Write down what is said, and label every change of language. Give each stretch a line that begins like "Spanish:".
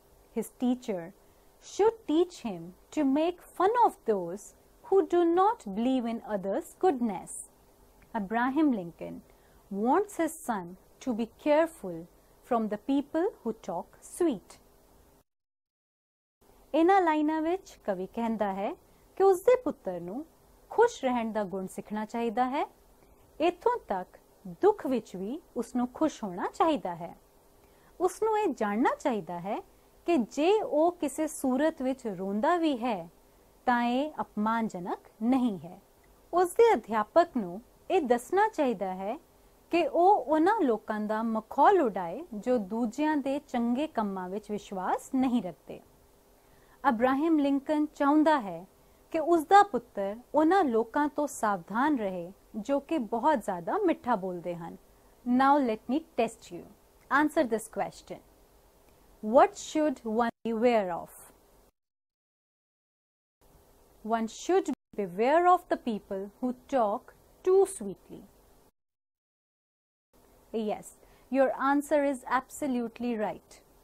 English: His teacher should teach him to make fun of those who do not believe in others' goodness. Abraham Lincoln wants his son to be careful from the people who talk sweet.
Punjabi: ਇਹਨਾਂ ਲਾਈਨਾਂ ਵਿੱਚ ਕਵੀ ਕਹਿੰਦਾ ਹੈ ਕਿ ਉਸਦੇ ਪੁੱਤਰ ਨੂੰ ਖੁਸ਼ ਰਹਿਣ ਦਾ ਗੁਣ ਸਿੱਖਣਾ ਚਾਹੀਦਾ ਹੈ, ਇੱਥੋਂ ਤੱਕ ਦੁੱਖ ਵਿੱਚ ਵੀ ਉਸਨੂੰ ਖੁਸ਼ ਹੋਣਾ ਚਾਹੀਦਾ ਹੈ। ਉਸਨੂੰ ਇਹ ਜਾਣਨਾ ਚਾਹੀਦਾ ਹੈ ਕਿ ਜੇ ਉਹ ਕਿਸੇ ਸੂਰਤ ਵਿੱਚ ਰੋਂਦਾ ਵੀ ਹੈ ਤਾਂ ਇਹ ਅਪਮਾਨਜਨਕ ਨਹੀਂ ਹੈ। ਉਸਦੇ ਅਧਿਆਪਕ ਨੂੰ ਇਹ ਦੱਸਣਾ ਚਾਹੀਦਾ ਹੈ ਕਿ ਉਹ ਉਹਨਾਂ ਲੋਕਾਂ ਦਾ ਮਖੌਲ ਉਡਾਏ ਜੋ ਦੂਜਿਆਂ ਦੇ ਚੰਗੇ ਕੰਮਾਂ ਵਿੱਚ ਵਿਸ਼ਵਾਸ ਨਹੀਂ ਰੱਖਦੇ। ਅਬਰਾਹਿਮ ਲਿੰਕਨ ਚਾਹੁੰਦਾ ਹੈ ਕਿ ਉਸਦਾ ਪੁੱਤਰ ਉਹਨਾਂ ਲੋਕਾਂ ਤੋਂ ਸਾਵਧਾਨ ਰਹੇ ਜੋ ਕਿ ਬਹੁਤ ਜ਼ਿਆਦਾ ਮਿੱਠਾ ਬੋਲਦੇ ਹਨ।
English: Now let me test you, answer this question. What should one be aware of? One should beware of the people who talk too sweetly. Yes, your answer is absolutely right.